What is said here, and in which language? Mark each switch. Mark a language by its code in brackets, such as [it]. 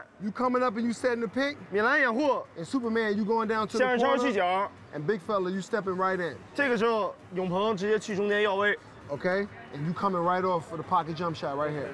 [en] ，You coming up and you setting the pick. [zh] 米兰掩护。 [en] And Superman, you going down to the corner. [zh] 向上细脚。 [en] And big fella, you stepping right in. [zh] 这个时候，永鹏直接去中间要位。 [en] Okay, and you coming right off for the pocket jump shot right here.